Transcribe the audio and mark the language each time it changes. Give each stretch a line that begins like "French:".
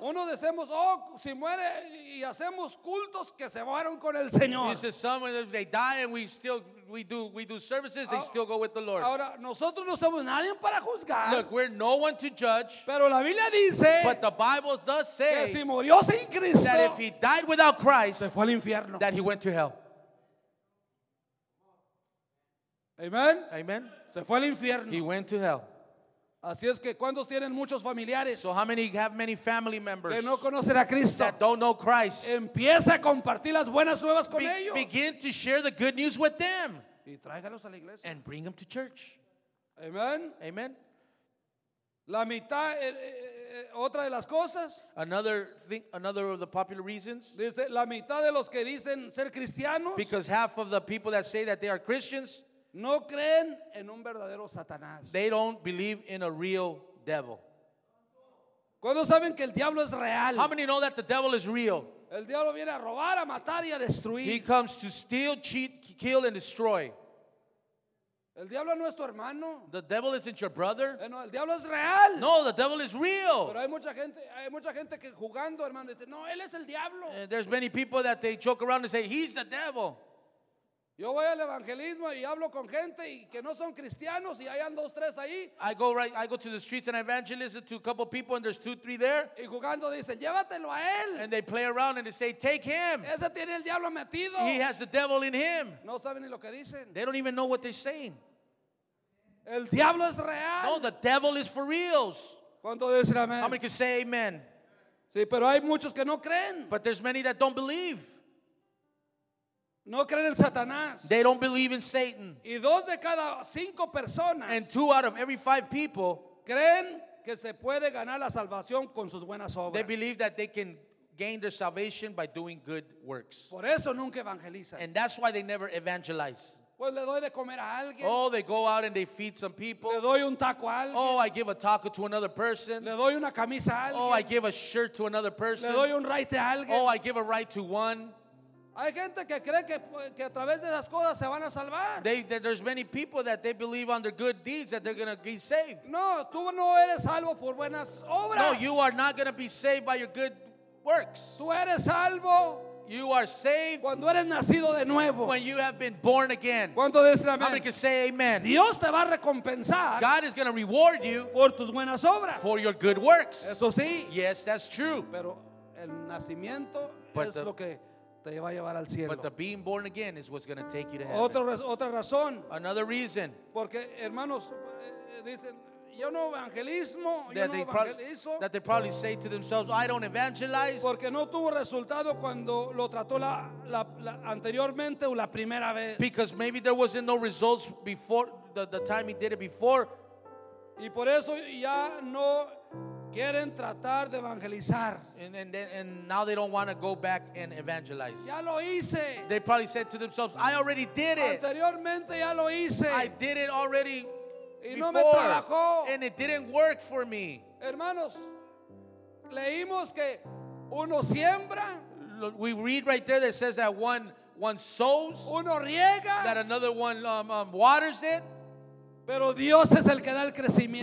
Spanish: Uno decimos, oh, si muere y hacemos cultos que se fueron con el Señor.
English: This is some if they die and we do services, they still go with the Lord.
Spanish: Ahora nosotros no somos nadie para juzgar.
English: Look, we're no one to judge.
Spanish: Pero la Biblia dice.
English: But the Bible does say
Spanish: que si murió sin Cristo,
English: that if he died without Christ,
Spanish: se fue al infierno.
English: That he went to hell.
Spanish: Amen.
English: Amen.
Spanish: Se fue al infierno.
English: He went to hell.
Spanish: Así es que cuántos tienen muchos familiares.
English: So how many have many family members
Spanish: que no conocen a Cristo?
English: That don't know Christ.
Spanish: Empieza a compartir las buenas nuevas con ellos.
English: Begin to share the good news with them.
Spanish: Y tráigalos a la iglesia.
English: And bring them to church.
Spanish: Amen.
English: Amen.
Spanish: La mitad otra de las cosas.
English: Another of the popular reasons.
Spanish: Dice la mitad de los que dicen ser cristianos.
English: Because half of the people that say that they are Christians.
Spanish: No creen en un verdadero Satanás.
English: They don't believe in a real devil.
Spanish: ¿Cuándo saben que el diablo es real?
English: How many know that the devil is real?
Spanish: El diablo viene a robar, a matar y a destruir.
English: He comes to steal, cheat, kill and destroy.
Spanish: El diablo no es tu hermano.
English: The devil isn't your brother.
Spanish: No, el diablo es real.
English: No, the devil is real.
Spanish: Pero hay mucha gente que jugando, hermano, dice, no, él es el diablo.
English: There's many people that they joke around and say he's the devil.
Spanish: Yo voy al evangelismo y hablo con gente y que no son cristianos y hay dos tres ahí.
English: I go to the streets and I evangelize to a couple people and there's two three there.
Spanish: Y jugando dicen, llévatelo a él.
English: And they play around and they say, take him.
Spanish: Ese tiene el diablo metido.
English: He has the devil in him.
Spanish: No saben ni lo que dicen.
English: They don't even know what they're saying.
Spanish: El diablo es real.
English: No, the devil is for reals.
Spanish: ¿Cuánto dicen amén?
English: How many can say amen?
Spanish: Sí, pero hay muchos que no creen.
English: But there's many that don't believe.
Spanish: No creen en Satanás.
English: They don't believe in Satan.
Spanish: Y dos de cada cinco personas.
English: And two out of every five people.
Spanish: Creen que se puede ganar la salvación con sus buenas obras.
English: They believe that they can gain their salvation by doing good works.
Spanish: Por eso nunca evangelizan.
English: And that's why they never evangelize.
Spanish: Pues le doy de comer a alguien.
English: Oh, they go out and they feed some people.
Spanish: Le doy un taco a alguien.
English: Oh, I give a taco to another person.
Spanish: Le doy una camisa a alguien.
English: Oh, I give a shirt to another person.
Spanish: Le doy un ride a alguien.
English: Oh, I give a ride to one.
Spanish: Hay gente que cree que a través de esas cosas se van a salvar.
English: There's many people that they believe on their good deeds that they're going to be saved.
Spanish: No, tú no eres salvo por buenas obras.
English: No, you are not going to be saved by your good works.
Spanish: Tú eres salvo.
English: You are saved.
Spanish: Cuando eres nacido de nuevo.
English: When you have been born again.
Spanish: ¿Cuánto dicen amén?
English: How many can say amen?
Spanish: Dios te va a recompensar.
English: God is going to reward you
Spanish: por tus buenas obras.
English: For your good works.
Spanish: Eso sí.
English: Yes, that's true.
Spanish: Pero el nacimiento es lo que te va a llevar al cielo.
English: But the being born again is what's going to take you to heaven.
Spanish: Otra razón.
English: Another reason.
Spanish: Porque hermanos dicen, yo no evangelismo, yo no evangelizo.
English: That they probably say to themselves, I don't evangelize.
Spanish: Porque no tuvo resultado cuando lo trató la anteriormente o la primera vez.
English: Because maybe there wasn't no results before the time he did it before.
Spanish: Y por eso ya no quieren tratar de evangelizar.
English: And now they don't want to go back and evangelize.
Spanish: Ya lo hice.
English: They probably said to themselves, I already did it.
Spanish: Anteriormente ya lo hice.
English: I did it already
Spanish: y
English: before.
Spanish: No me trabajó.
English: And it didn't work for me.
Spanish: Hermanos, leímos que uno siembra.
English: We read right there that says that one sows.
Spanish: Uno riega.
English: That another one waters it.
Spanish: Pero Dios es el que da el crecimiento.